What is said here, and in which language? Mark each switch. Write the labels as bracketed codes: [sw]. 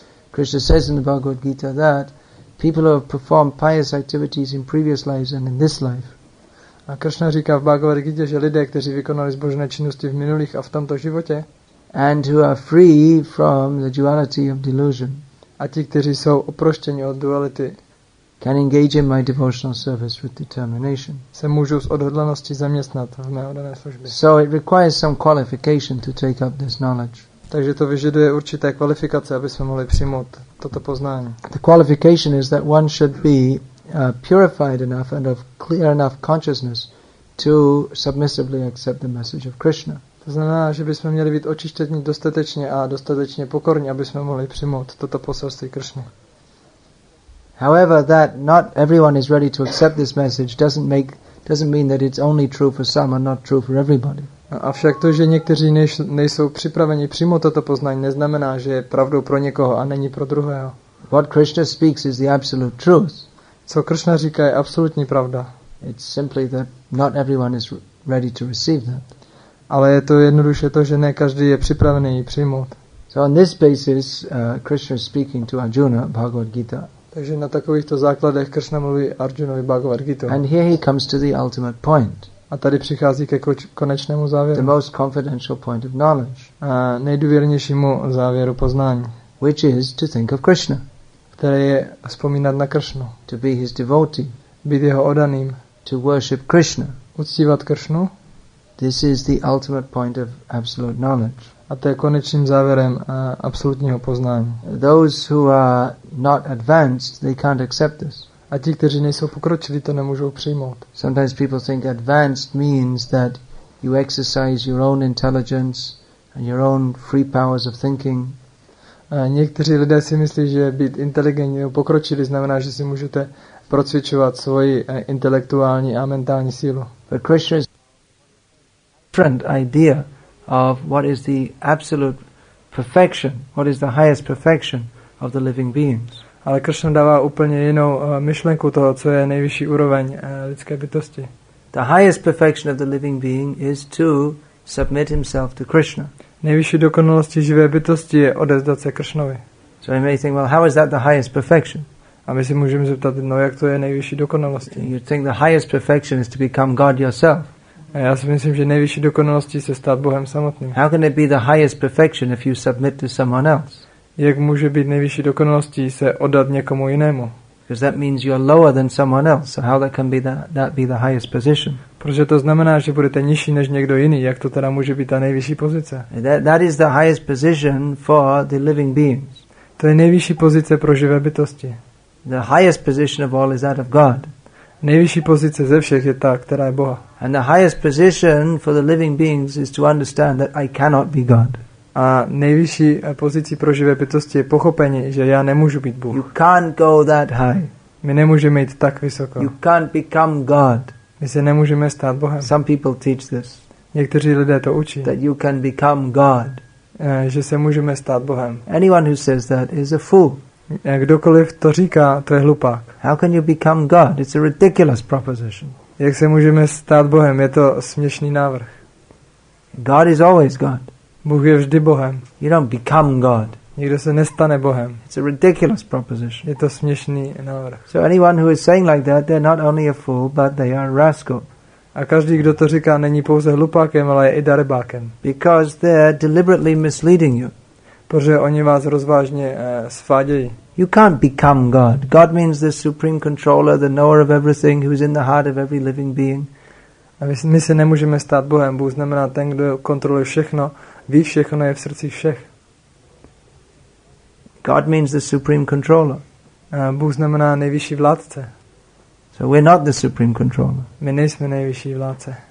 [en] Krishna says in the Bhagavad Gita that people who have performed pious activities in previous lives and in this life. [cs] A Krishna říká v Bhagavad Gita, že lidé, kteří vykonali zbožné činnosti v minulých a v tomto životě, [en] and who are free from the duality of delusion, [cs] a ti, kteří jsou oproštěni od duality, [en] can engage in my devotional service with determination. [cs] Se můžou s odhodlaností zaměstnat v mé odané službě. [en] So it requires some qualification to take up this knowledge. [cs] Takže to vyžaduje určité kvalifikace, aby jsme mohli přijmout toto poznání. [en] The qualification is that one should be purified enough and of clear enough consciousness to submissively accept the message of Krishna. [cs] To znamená, že bychom měli být očištěni dostatečně a dostatečně pokorní, aby jsme mohli přijmout toto poselství Krishny. [en] However, that not everyone is ready to accept this message doesn't mean that it's only true for some and not true for everybody. [cs] Avšak to, že někteří nejsou připraveni přímo toto poznání, neznamená, že je pravdou pro někoho a není pro druhého. [en] What Krishna speaks is the absolute truth. [cs] Co Krishna říká, je absolutní pravda. [en] It's simply that not everyone is ready to receive that. [cs] Ale je to jednoduše to, že ne každý je připravený ji přijmout. [en] So on this basis, Krishna is speaking to Arjuna, Bhagavad Gita. [cs] Takže na takovýchto základech Krishna mluví Arjunovi Bhagavad Gita. [en] And here he comes to the ultimate point. [cs] A tady přichází ke konečnému závěru. [en] The most confidential point of knowledge. [cs] A nejdůvěrnějšímu závěru poznání. [en] Which is to think of Krishna. [cs] Které je vzpomínat na Krishnu. [en] To be his devotee. [cs] Být jeho oddaným. [en] To worship Krishna. [cs] Uctívat Krishnu. [en] This is the ultimate point of absolute knowledge. [cs] A to je konečným závěrem absolutního poznání. [en] Those who are not advanced, they can't accept this. [cs] A ti, kteří nejsou pokročilí, to nemůžou přijmout. [en] Sometimes people think advanced means that you exercise your own intelligence and your own free powers of thinking. [cs] A někteří lidé si myslí, že být inteligentní nebo pokročilý znamená, že si můžete procvičovat svoji intelektuální a mentální sílu. [en] But Krishna has a different idea of what is the absolute perfection, what is the highest perfection of the living beings. [cs] Ale Krishna dává úplně jinou myšlenku toho, co je nejvyšší úroveň lidské bytosti. [en] The highest perfection of the living being is to submit himself to Krishna. [cs] Nejvyšší dokonalosti živé bytosti je odevzdat se Krishnovi. [en] So you may think, well, how is that the highest perfection? [cs] A my si můžeme zeptat, no jak to je nejvyšší dokonalosti? [en] You think the highest perfection is to become God yourself. [cs] A já si myslím, že nejvyšší dokonalosti se stát Bohem samotným. [en] How can it be the highest perfection if you submit to someone else? [cs] Jak může být nejvyšší dokonalostí se oddat někomu jinému? [en] Because that means you're lower than someone else. So how that can be that be the highest position? [cs] Protože to znamená, že budete nižší než někdo jiný. Jak to teda může být ta nejvyšší pozice? [en] That is the highest position for the living beings. [cs] To je nejvyšší pozice pro živé bytosti. [en] The highest position of all is that of God. [cs] Nejvyšší pozice ze všech je ta, která je Boha. [en] And the highest position for the living beings is to understand that I cannot be God. [cs] A nejvyšší pozici pro živé bytosti je pochopení, že já nemůžu být Bůh. [en] You can't go that high. [cs] My nemůžeme jít tak vysoko. [en] You can't become God. [cs] My se nemůžeme stát Bohem. [en] Some people teach this. [cs] Někteří lidé to učí. [en] That you can become God. [cs] Že se můžeme stát Bohem. [en] Anyone who says that is a fool. [cs] Kdokoliv to říká, to je hlupák. [en] How can you become God? It's a ridiculous proposition. [cs] Jak se můžeme stát Bohem? Je to směšný návrh. [en] God is always God. [cs] Bůh je vždy Bohem. [en] You don't become God. [cs] Nikdo se nestane Bohem. [en] It's a ridiculous proposition. [cs] Je to směšný návrh. [en] So anyone who is saying like that, they're not only a fool, but they are a rascal. [cs] A každý, kdo to říká, není pouze hlupákem, ale je i darebákem. [en] Because they're deliberately misleading you. [cs] Protože oni vás rozvážně svádějí. [en] You can't become God. God means the supreme controller, the knower of everything, who is in the heart of every living being. [cs] A my se nemůžeme stát Bohem. Bůh znamená ten, kdo kontroluje všechno, ví všechno, je v srdci všech. [en] God means the supreme controller. [cs] Bůh znamená nejvyšší vládce. [en] So we're not the supreme controller. [cs] My nejsme nejvyšší vládce.